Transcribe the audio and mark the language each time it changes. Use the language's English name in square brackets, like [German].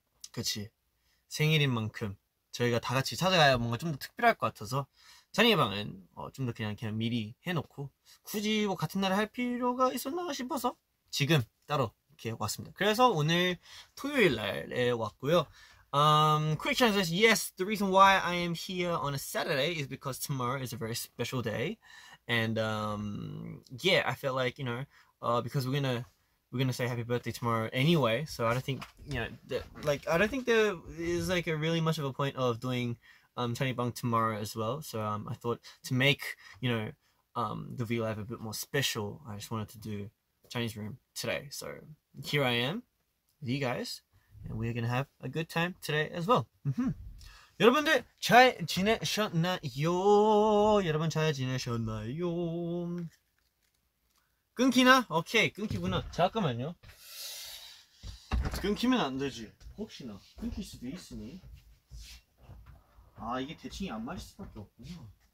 [Korean] 그치 생일인 만큼 저희가 다 같이 찾아가야 뭔가 좀 더 특별할 것 같아서 찬이의 방은 좀 더 그냥 미리 해놓고 굳이 뭐 같은 날에 할 필요가 있었나 싶어서 지금 따로 이렇게 왔습니다. 그래서 오늘 토요일 날에 왔고요. [English] Quick translation. Yes, the reason why I am here on a Saturday is because tomorrow is a very special day. And yeah, I feel like, you know, because we're gonna say happy birthday tomorrow anyway. So I don't think, you know, I don't think there is like a really much of a point of doing 찬이방 tomorrow as well. So I thought to make, you know, the VLive a bit more special, I just wanted to do Chinese Room today. So here I am with you guys and we're gonna have a good time today as well. [Korean] 여러분들 잘 지내셨나요? 여러분 잘 지내셨나요? 끊기나? 오케이 끊기구나. 잠깐만요. 끊기면 안 되지. 혹시나 끊길 수도 있으니. 아 이게 대칭이 안 맞을 수밖에 없구나.